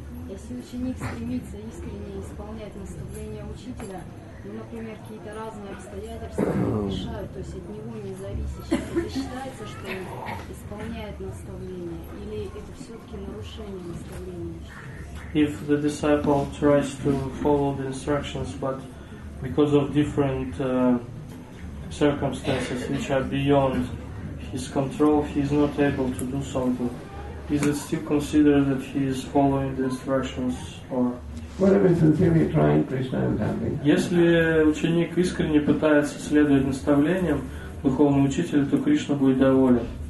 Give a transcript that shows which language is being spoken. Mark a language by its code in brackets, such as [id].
[ru] Если ученик стремится искренне исполнять наставления учителя, но, например, какие-то разные обстоятельства мешают, то есть от него не зависящие, это считается, что он исполняет наставление, или это все-таки нарушение наставления? [en] If the disciple tries to follow the instructions, but because of different circumstances which are beyond his control, he is not able to do something. Is it still considered that he is following the instructions or? What if he's sincerely trying Krishna and something? [ru] Если ученик искренне пытается следовать наставлениям духовного учителя, то Кришна будет доволен.